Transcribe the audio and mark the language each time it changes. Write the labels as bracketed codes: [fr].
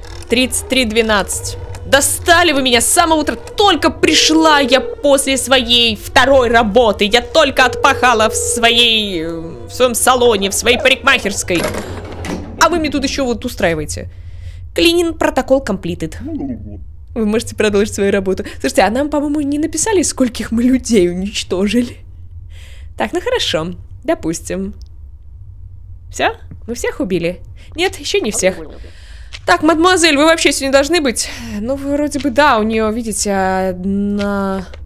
[ru] 33-12. Достали вы меня с самого утра. Только пришла я после своей второй работы. Я только отпахала в своей... В своем салоне, в своей парикмахерской. А вы мне тут еще вот устраиваете. [en] Cleaning protocol completed. [ru] Вы можете продолжить свою работу. Слушайте, а нам, по-моему, не написали, скольких мы людей уничтожили. Так, ну хорошо, допустим. Все? Мы всех убили? Нет, еще не всех. Так, мадемуазель, вы вообще сегодня должны быть? Ну, вроде бы да, у нее, видите, одна...